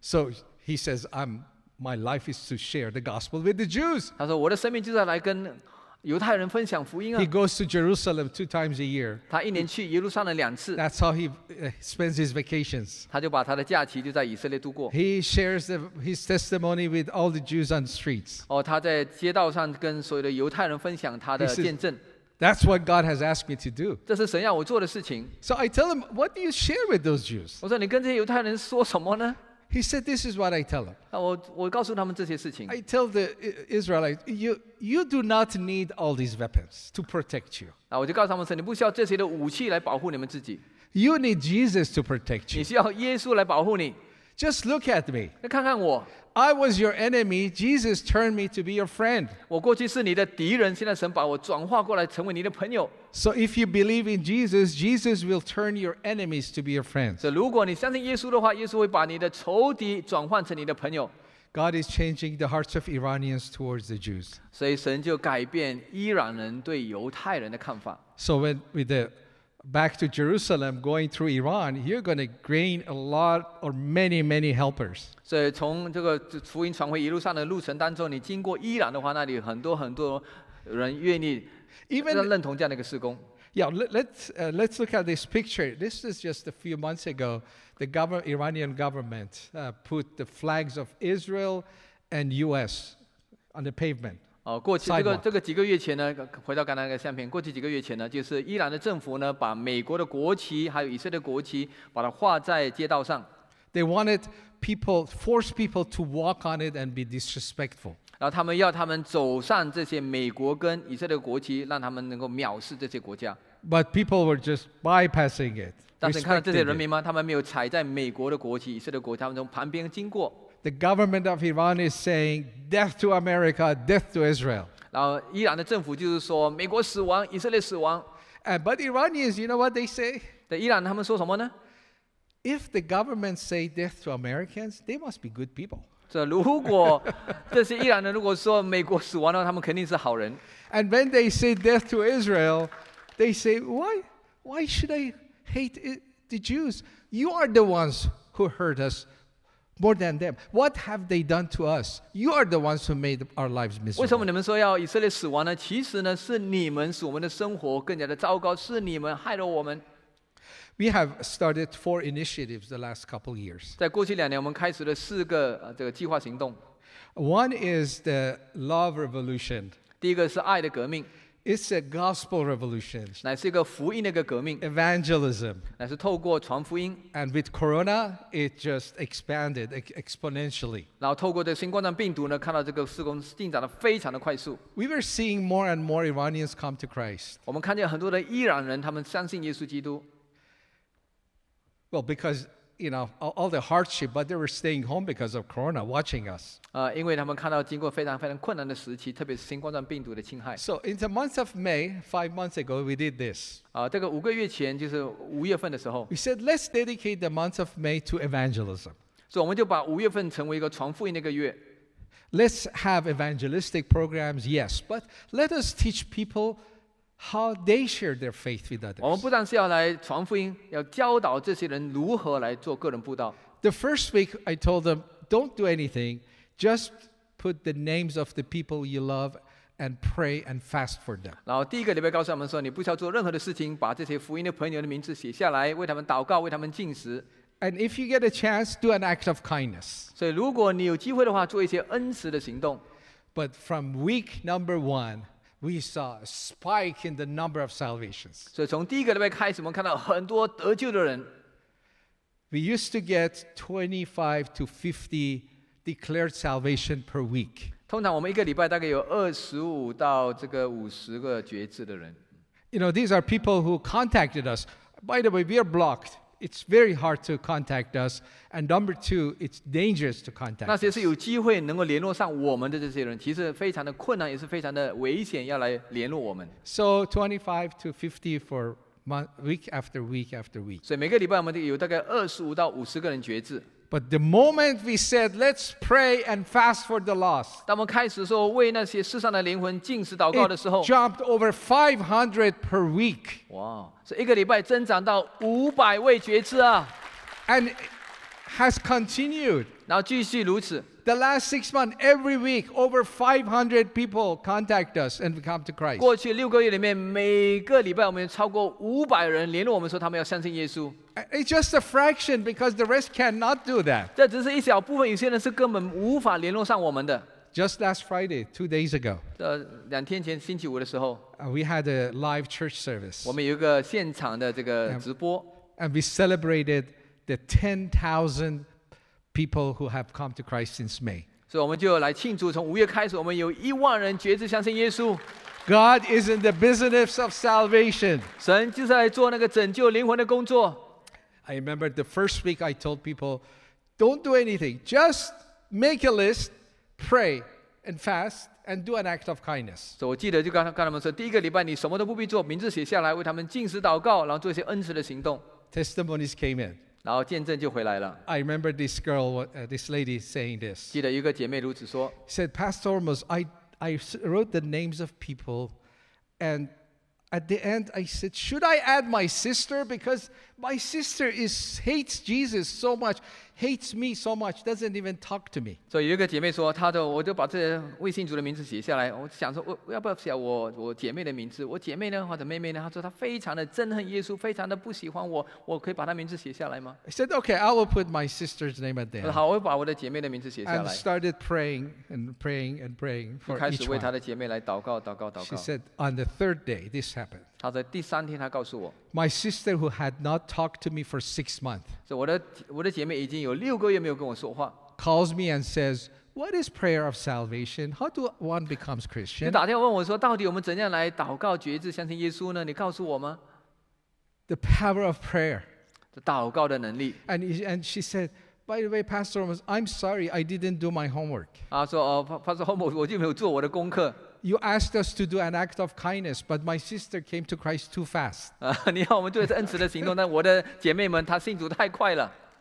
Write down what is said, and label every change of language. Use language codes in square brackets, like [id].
[en] So he says, my life is to share the gospel with the Jews. [zh] 他说我的生命就是来跟犹太人分享福音啊。 [en] He goes to Jerusalem 2 times a year. [zh] 他一年去耶路撒冷两次。 [en] That's how he spends his vacations. [zh] 他就把他的假期就在以色列度过。 [en] He shares his testimony with all the Jews on the streets. [zh] 他在街道上跟所有的犹太人分享他的见证。 [en] That's what God has asked me to do. [zh] 这是神要我做的事情。 [en] So I tell him, what do you share with those Jews? [zh] 我说你跟这些犹太人说什么呢? [en] He said, this is what I tell them. [zh] 我告诉他们这些事情。 [en] I tell the Israelites, you do not need all these weapons to protect you. [zh] 我就告诉他们说，你不需要这些的武器来保护你们自己。 [en] You need Jesus to protect you. [zh] 你需要耶稣来保护你。 [en] Just look at me. [zh] 看看我。 [en] I was your enemy. Jesus turned me to be your friend. [zh] 我过去是你的敌人，现在神把我转化过来成为你的朋友。 [en] So if you believe in Jesus, Jesus will turn your enemies to be your friends. [zh] 如果你相信耶稣的话，耶稣会把你的仇敌转换成你的朋友。 [en] God is changing the hearts of Iranians towards the Jews. [zh] 所以神就改变伊朗人对犹太人的看法。 [en] So when with the back to Jerusalem, going through Iran, you're going to gain a lot or many, many helpers. [zh] 所以从这个福音传回一路上的路程当中，你经过伊朗的话，那里很多很多人愿意认同这样的一个事工。 [en] Yeah, let's look at this picture. This is just a few months ago. The Iranian government put the flags of Israel and U.S. on the pavement. [zh] 过去这个几个月前呢，回到刚才那个相片，过去几个月前呢，就是伊朗的政府呢，把美国的国旗还有以色列的国旗，把它画在街道上。 [en] They wanted people, force people to walk on it and be disrespectful. [zh] 然后他们要他们走上这些美国跟以色列的国旗，让他们能够藐视这些国家。 [en] But people were just bypassing it. [zh] 但是你看到这些人民吗？他们没有踩在美国的国旗、以色列的国旗，他们从旁边经过。 [en] The government of Iran is saying, "Death to America, death to Israel." [zh] 然后伊朗的政府就是说，美国死亡，以色列死亡。 [en] But Iranians, you know what they say? [zh] 伊朗他们说什么呢？ [en] If the government say death to Americans, they must be good people. [zh] 这如果这些伊朗人如果说美国死亡了，他们肯定是好人。 [en] And when they say death to Israel, they say, "Why should I hate the Jews? You are the ones who hurt us." More than them, what have they done to us? You are the ones who made our lives miserable. [zh] 为什么你们说要以色列死亡呢？其实呢，是你们使我们的生活更加的糟糕，是你们害了我们。 [en] We have started 4 initiatives the last couple years. [zh] 在过去两年，我们开始了四个这个计划行动。 [en] One is the love revolution. [zh] 第一个是爱的革命。 [en] It's a gospel revolution. [zh] 乃是一个福音的一个革命。 [en] Evangelism. [zh] 乃是透过传福音。 [en] And with Corona, it just expanded exponentially. [zh] 然后透过这新冠状病毒呢，看到这个事工进展的非常的快速。 [en] We were seeing more and more Iranians come to Christ. [zh] 我们看见很多的伊朗人，他们相信耶稣基督。 [en] Well, because you know all the hardship, but they were staying home because of Corona, watching us. [zh] 因为他们看到经过非常非常困难的时期，特别是新冠状病毒的侵害。 [en] So in the month of May, 5 months ago, we did this. [zh] 这个五个月前，就是五月份的时候。 [en] We said let's dedicate the month of May to evangelism. [zh] 所以我们就把五月份成为一个传福音的一个月。 [en] Let's have evangelistic programs, yes, but let us teach people how they share their faith with others. [zh] 我们不但是要来传福音，要教导这些人如何来做个人布道。 [en] The first week, I told them, don't do anything. Just put the names of the people you love and pray and fast for them. [zh] 然后第一个礼拜告诉他们说，你不需要做任何的事情，把这些福音的朋友的名字写下来，为他们祷告，为他们进食。 [en] And if you get a chance, do an act of kindness. [zh] 所以如果你有机会的话，做一些恩慈的行动。 [en] But from week number one, we saw a spike in the number of salvations. [zh] 所以从第一个礼拜开始，我们看到很多得救的人。 [en] We used to get 25 to 50 declared salvation per week. [zh] 通常我们一个礼拜大概有25到这个50个决志的人。 [en] You know, these are people who contacted us. By the way, we are blocked. It's very hard to contact us. And number two, it's dangerous to contact us. [zh] 那些是有机会能够联络上我们的这些人，其实非常的困难，也是非常的危险，要来联络我们。 [en] So 25 to 50 for week after week after week. [zh] 所以每个礼拜我们有大概25到50个人决志。 [en] But the moment we said, let's pray and fast for the lost, [zh] 当我们开始说为那些世上的灵魂进食祷告的时候， [en] it jumped over 500 per week. [zh] 哇，所以一个礼拜增长到500位决志啊。 [en] And has continued. [zh] 然后继续如此。 [en] The last 6 months, every week, over 500 people contact us and come to Christ. [zh] 过去六个月里面，每个礼拜我们超过500人联络我们说他们要相信耶稣。 [en] It's just a fraction because the rest cannot do that. [zh] 这只是一小部分，有些人是根本无法联络上我们的。 [en] Just last Friday, 2 days ago. [zh] 两天前星期五的时候。 [en] We had a live church service. [zh] 我们有一个现场的这个直播。 [en] And we celebrated the 10,000 people people who have come to Christ since May. [zh] 所以我们就来庆祝，从五月开始，我们有一万人决志相信耶稣。 [en] God is in the business of salvation. [zh] 神就是来做那个拯救灵魂的工作。 [en] I remember the first week I told people, don't do anything, just make a list, pray and fast, and do an act of kindness. [zh] 所以我记得就跟他们说，第一个礼拜你什么都不必做，名字写下来，为他们禁食祷告，然后做一些恩慈的行动。 [en] Testimonies came in. [zh] 然后见证就回来了。 [en] I remember this girl, this lady saying this. [zh] 记得一个姐妹如此说。 [en] Said Pastor Ormus, I wrote the names of people, and at the end I said, should I add my sister? Because my sister hates Jesus so much, hates me so much, doesn't even talk to me. [zh] 所以有一个姐妹说，她的我就把这未信主的名字写下来。我想说，我要不要写我姐妹的名字？我姐妹呢，或者妹妹呢？她说她非常的憎恨耶稣，非常的不喜欢我。我可以把她名字写下来吗 [en] ？I said, okay, I will put my sister's name at the end. [zh] 好，我会把我的姐妹的名字写下来。 [en] And started praying and praying and praying for each one. [zh] 开始为她的姐妹来祷告，祷告，祷告。 [en] She said, on the third day, this happened. [zh] 他在第三天，他告诉我 [en] ，My sister who had not talked to me for 6 months， [zh] 所以我的姐妹已经有六个月没有跟我说话 [en] ，calls me and says， What is prayer of salvation？ How do one becomes Christian？ [zh] 你打电话问我说，到底我们怎样来祷告决志相信耶稣呢？你告诉我吗 [en] ？The power of prayer， [zh] 祷告的能力。 [en] And she said， By the way， Pastor Holmes， I'm sorry， I didn't do my homework。 [zh] 啊，说哦 ，Pastor Holmes， 我就没有做我的功课。 [en] You asked us to do an act of kindness, but my sister came to Christ too fast. [zh] 你要我们做一次恩慈的行动，但我的姐妹们她信主太快了。